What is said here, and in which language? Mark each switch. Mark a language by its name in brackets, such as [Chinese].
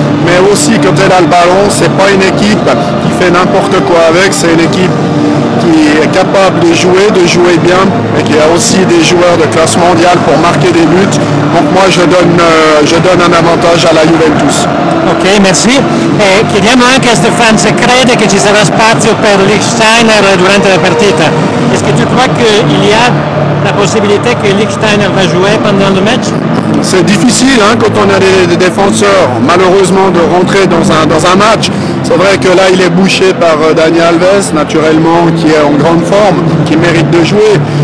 [French] Mais aussi, quand elle a le ballon, c'est pas une équipe qui fait n'importe quoi avec. C'est une équipe qui est capable de jouer bien, et qui a aussi des joueurs de classe mondiale pour marquer des buts. Donc moi, je donne un avantage à la Juventus. Ok, merci. [Italian] Et chiediamo anche a Stéphane se crede che ci sarà spazio per Lichtsteiner durante la partita. [French] Est-ce que tu crois qu'il y a la possibilité que Lichtsteiner va jouer pendant le match? C'est difficile hein, quand on a des défenseurs, malheureusement, de rentrer dans un match. C'est vrai que là, il est bouché par Dani Alves, naturellement, qui est en grande forme, qui mérite de jouer.